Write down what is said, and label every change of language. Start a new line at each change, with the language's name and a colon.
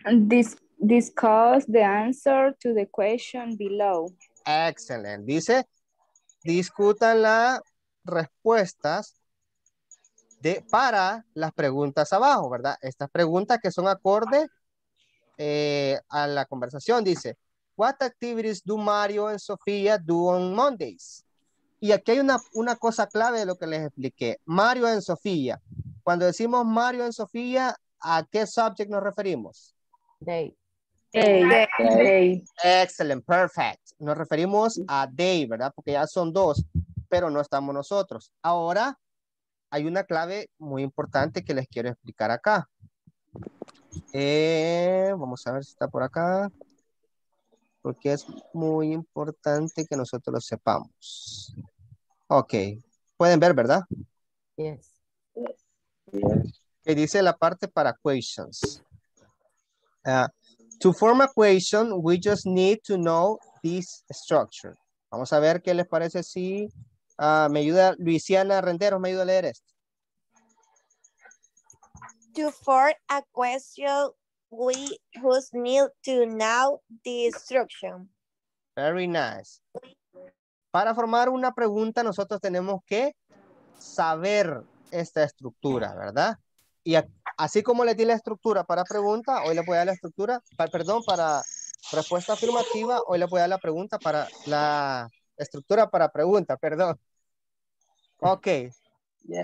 English: Discuss the answer to the question below. Excellent.
Spanish: Dice, discutan las respuestas para las preguntas abajo, ¿verdad? Estas preguntas que son acorde a la conversación, dice.
English: What activities do Mario and Sofía do on Mondays?
Spanish: Y aquí hay una cosa clave de lo que les expliqué. Mario and Sofía. Cuando decimos Mario and Sofía, ¿a qué subject nos referimos?
English: They. Day. Excellent, perfect.
Spanish: Nos referimos a day, ¿verdad? Porque ya son dos, pero no estamos nosotros. Ahora, hay una clave muy importante que les quiero explicar acá. Vamos a ver si está por acá. Porque es muy importante que nosotros lo sepamos. Ok. Pueden ver, ¿verdad?
English: Yes.
Spanish: Que dice la parte para questions.
English: To form a question, we just need to know this structure.
Spanish: Vamos a ver qué les parece si me ayuda Luisiana Renderos, me ayuda a leer esto.
English: To form a question, we just need to know this structure. Very nice.
Spanish: Para formar una pregunta, nosotros tenemos que saber esta estructura, ¿verdad? Y así como le di la estructura para pregunta, hoy le voy a dar la estructura, para respuesta afirmativa, hoy le voy a dar la pregunta para la estructura para pregunta, perdón. Ok. Yeah.